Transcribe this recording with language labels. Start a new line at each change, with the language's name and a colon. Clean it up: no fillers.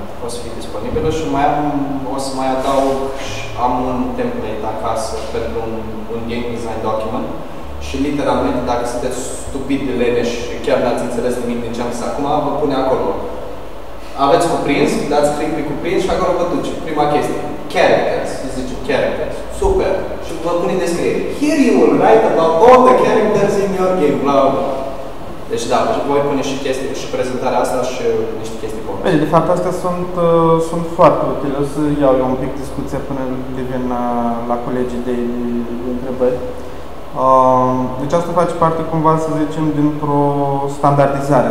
Romanian: O să fie disponibilă și mai am, o să mai adaug, am un template acasă pentru un game design document și literalmente dacă sunteți stupid de lene și chiar n-ați înțeles nimic din ce am zis acum, vă pune acolo. Aveți cuprins, dați click pe cuprins și acolo vă duce. Prima chestie. Characters, să zicem, characters. Super. Și vă pune în descriere.
English: Here you will write about all the characters in your game, bla bla bla.
Romanian: Deci da, voi pune și chestii și prezentarea asta și niște chestii bune. Bine, de fapt, astea sunt foarte utile. O să iau eu un pic discuția până devin la colegii de întrebări. Deci asta face parte cumva, să zicem, dintr-o standardizare.